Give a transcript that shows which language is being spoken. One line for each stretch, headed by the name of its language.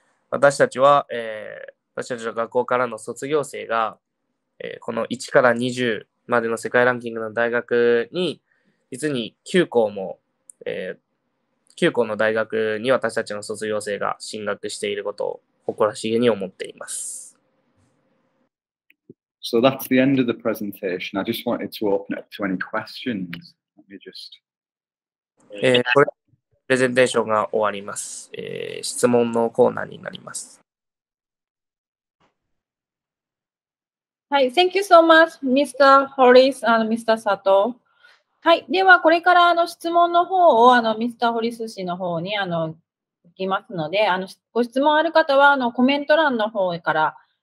Japanese: 私たちは、私たちの学校からの卒業生が、この1から20までの世界ランキングの大学に、実に9校も、9校の大学に私たちの卒業生が進学していることを誇らしげに思っています。
English: So that's the end of the presentation. I just wanted to open it up to any questions. Let me just.
Japanese: これプレゼンテーションが終わります。質問のコーナーになります。
English: はい、Thank you so much, Mr. Hollis and Mr. Sato.
Japanese: はい、ではこれから質問の方をMr. Hollis氏の方に行きますので、ご質問ある方はコメント欄の方から。